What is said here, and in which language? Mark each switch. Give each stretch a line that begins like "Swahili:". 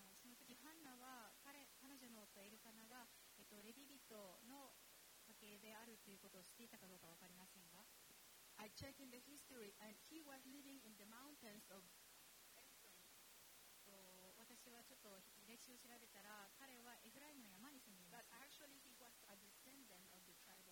Japanese: その時ハンナは 彼女の夫エルカナが、レビ人の家系であるということを知っていたかどうか分かりませんが、
English: I checked in the history and he was living in the mountains of Ephraim.
Japanese: 私はちょっと歴史を調べたら、彼はエフライムの山に住んでいます。
English: But actually he was a descendant of the tribe.